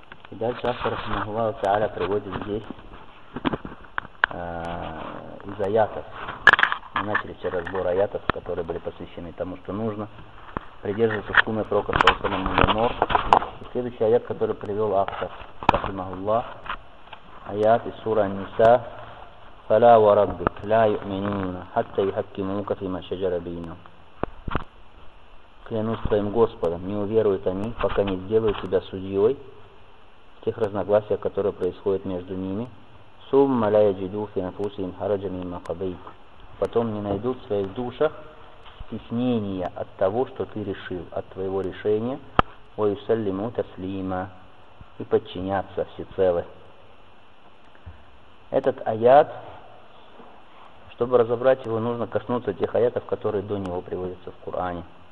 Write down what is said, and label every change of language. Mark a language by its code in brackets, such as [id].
[ru] И дальше автор Махуллаху Та'аля приводит здесь из аятов. Мы начали все разбор аятов, которые были посвящены тому, что нужно придерживаться сунны пророка саллаллаху алейхи ва саллям. И следующий аят, который привел автор Махуллах, аят из сура Ан-Ниса. [ar] فلا وربك لا يؤمنون حتى يحكموك فيما شجر بينهم. [ru] Клянусь твоим Господом, не уверуют они, пока не сделают себя судьей в тех разногласиях, которые происходят между ними. [ar] ثم لا يجدوا في أنفسهم حرجا مما قضيت. [ru] Потом не найдут в своих душах стеснения от того, что ты решил, от твоего решения. [ar] ويسلموا تسليما. [ru] И подчинятся всецело. Этот аят, чтобы разобрать его, нужно коснуться тех аятов, которые до него приводятся в Коране.